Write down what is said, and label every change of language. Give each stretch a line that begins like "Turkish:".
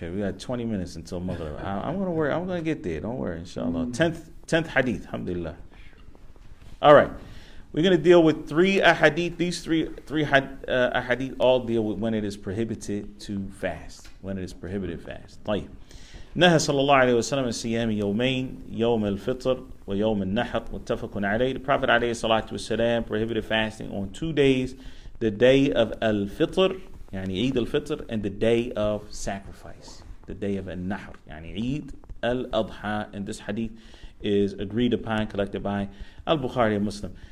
English: Okay, we got 20 minutes until Maghrib. I'm going to worry. I'm going to get there. Don't worry, inshallah. Tenth hadith, alhamdulillah. All right. We're going to deal with three ahadith. These three ahadith all deal with when it is prohibited to fast. When it is prohibited fast.
Arabic: طيب. نهى صلى الله عليه وسلم صيام يومين يوم الفطر ويوم النحر متفق عليه.
English: The Prophet
Arabic: عليه الصلاة والسلام
English: prohibited fasting on 2 days, the day of الفطر,
Arabic: يعني عيد الفطر,
English: and the day of sacrifice, the day of النحر,
Arabic: يعني عيد الأضحى.
English: And this hadith is agreed upon, collected by Al-Bukhari and Muslim.